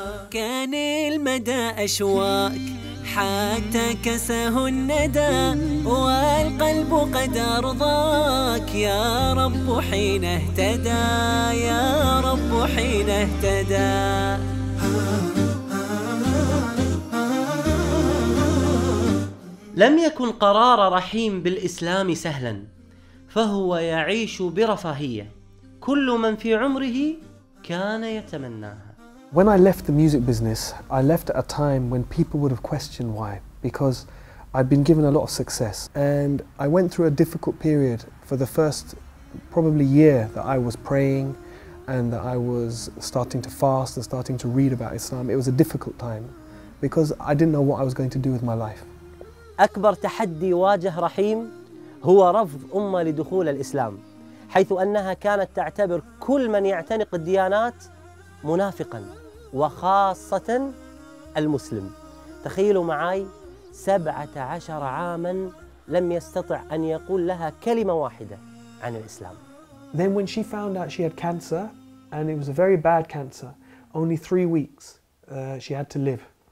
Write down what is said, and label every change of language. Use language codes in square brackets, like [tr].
[ar] كان المدى أشواك حتى كسه الندى، والقلب قد أرضاك يا رب حين اهتدى، يا رب حين اهتدى. لم يكن قرار رحيم بالإسلام سهلا، فهو يعيش برفاهية كل من في عمره كان يتمناها. [en] When I left the music business, I left at a time when people would have questioned why, because I'd been given a lot of success. And I went through a difficult period for the first probably year that I was praying and that I was starting to fast and starting to read about Islam. It was a difficult time because I didn't know what I was going to do with my life. [ar] أكبر تحدي واجه رحيم هو رفض أمة لدخول الإسلام، حيث أنها كانت تعتبر كل من يعتنق الديانات منافقاً، وخاصة المسلم. تخيلوا معي 17 عاماً لم يستطع أن يقول لها كلمة واحدة عن الإسلام. [en] Then when she found out she had cancer, and it was a very bad cancer, only 3 weeks she had to live.